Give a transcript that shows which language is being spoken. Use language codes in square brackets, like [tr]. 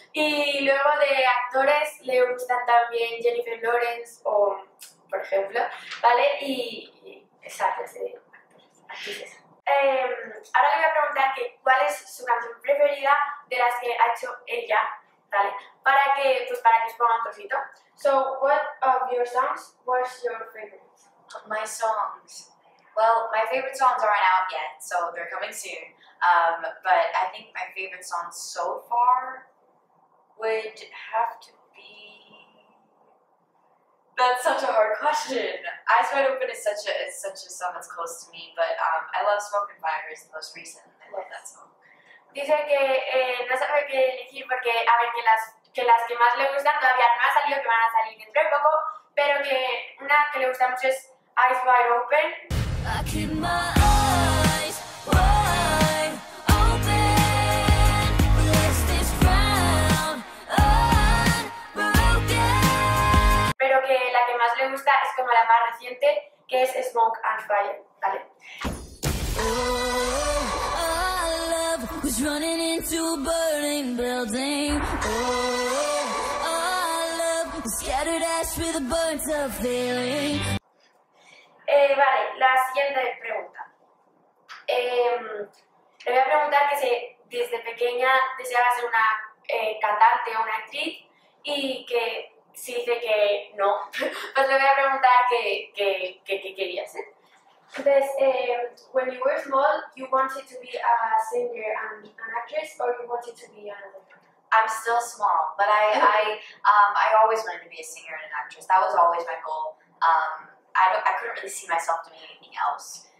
[es] Y luego de actores le gustan también Jennifer Lawrence, o por ejemplo, ¿vale? Y exacto, sí. Actrices. Ahora le voy a preguntar que cuál es su canción preferida de las que ha hecho ella, ¿vale? Para que, pues para que os ponga un trocito. [en] So, what of your songs was your favorite? My songs. Well, my favorite songs aren't out yet, so they're coming soon. But I think my favorite song so far would have to be... That's such a hard question. Eyes Wide Open is such a song that's close to me, but I love Smoke and Fire, the most recent. I love that song. [es] Dice que no sabe qué elegir porque, a ver, que las que más le gustan todavía no han salido, que van a salir dentro de poco, pero que una que le gusta mucho es Eyes Wide Open. [en] I keep my eyes wide open, lest this crown unbroken. [es] Pero que la que más le gusta es como la más reciente, que es Smoke and Fire, ¿vale? [en] Oh, our love was running into a burning building. Oh, our love was scattered ash with a burnt up feeling. [es] Vale, la siguiente pregunta. Le voy a preguntar que si desde pequeña deseaba ser una cantante o una actriz y que si dice que no, pues le voy a preguntar que quería ser. [en] Entonces, when you were small, you wanted to be a singer and an actress or you wanted to be another? I'm still small, but I always wanted to be a singer and an actress. That was always my goal. I couldn't really see myself doing anything else.